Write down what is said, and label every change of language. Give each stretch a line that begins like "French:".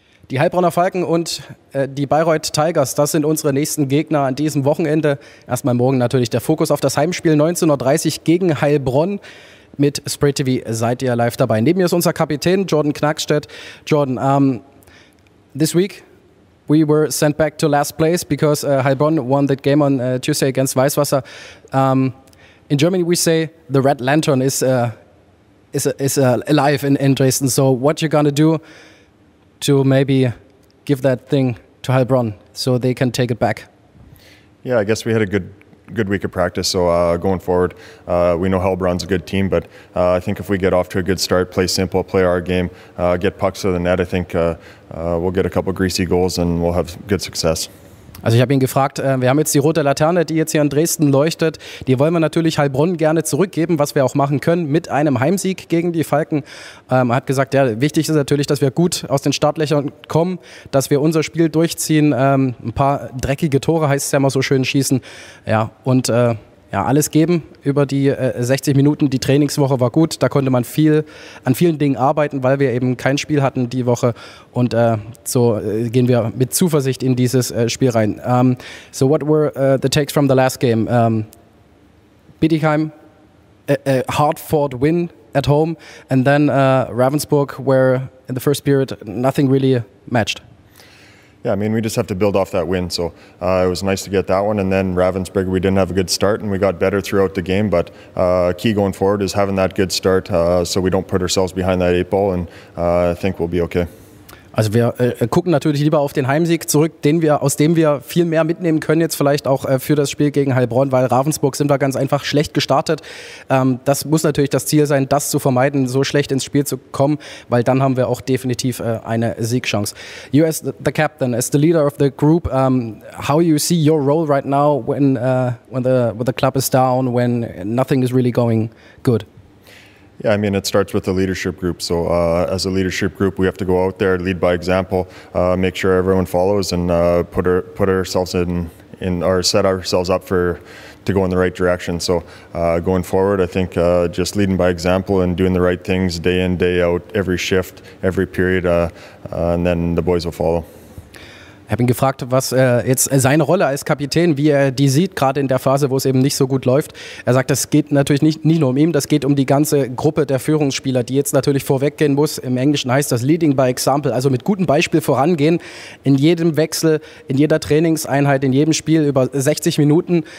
German: Die Heilbronner Falken und die Bayreuth Tigers, das sind unsere nächsten Gegner an diesem Wochenende. Erstmal morgen natürlich der Fokus auf das Heimspiel 19.30 Uhr gegen Heilbronn. Mit Spray TV seid ihr live dabei. Neben mir ist unser Kapitän Jordan Knackstedt.
English: Jordan, this week we were sent back to last place because Heilbronn won that game on Tuesday against Weißwasser. In Germany we say the Red Lantern is alive in Dresden. So what you gonna do to maybe give that thing to Heilbronn so they can take it back? Yeah, I guess we had a good week of practice. So going forward, we know Heilbronn's a good team, but I think if we get off to a good start, play simple, play our game, get pucks to the net, I think we'll get a couple greasy goals and we'll have good success.
German: Also ich habe ihn gefragt, wir haben jetzt die rote Laterne, die jetzt hier in Dresden leuchtet. Die wollen wir natürlich Heilbronn gerne zurückgeben, was wir auch machen können mit einem Heimsieg gegen die Falken. Er hat gesagt, ja, wichtig ist natürlich, dass wir gut aus den Startlöchern kommen, dass wir unser Spiel durchziehen, ein paar dreckige Tore, heißt es ja immer so schön, schießen. Ja, und ja, alles geben über die 60 Minuten. Die Trainingswoche war gut, da konnte man viel an vielen Dingen arbeiten, weil wir eben kein Spiel hatten die Woche. Und so gehen wir mit Zuversicht in dieses Spiel rein.
English: So what were the takes from the last game? Bietigheim, a hard-fought win at home, and then Ravensburg, where in the first period nothing really matched. Yeah, I mean, we just have to build off that win. So it was nice to get that one. And then Ravensburg, we didn't have a good start and we got better throughout the game. But key going forward is having that good start so we don't put ourselves behind that eight ball. And I think we'll be okay. Also wir gucken natürlich lieber auf den Heimsieg zurück, aus dem wir viel mehr mitnehmen können jetzt vielleicht auch für das Spiel gegen Heilbronn, weil Ravensburg sind wir ganz einfach schlecht gestartet. Das muss natürlich das Ziel sein, das zu vermeiden, so schlecht ins Spiel zu kommen, weil dann haben wir auch definitiv eine Siegchance. You as the captain, as the leader of the group, how you see your role right now when the club is down, when nothing is really going good? Yeah, I mean, it starts with the leadership group. So as a leadership group, we have to go out there, lead by example, make sure everyone follows and set ourselves up to go in the right direction. So going forward, I think just leading by example and doing the right things day in, day out, every shift, every period, and then the boys will follow.
German: Ich habe ihn gefragt, was jetzt seine Rolle als Kapitän, wie er die sieht, gerade in der Phase, wo es eben nicht so gut läuft. Er sagt, das geht natürlich nicht nur um ihn, das geht um die ganze Gruppe der Führungsspieler, die jetzt natürlich vorweggehen muss. Im Englischen heißt das
English: Leading by Example,
German: also mit gutem Beispiel vorangehen. In jedem Wechsel, in jeder Trainingseinheit, in jedem Spiel über 60 Minuten.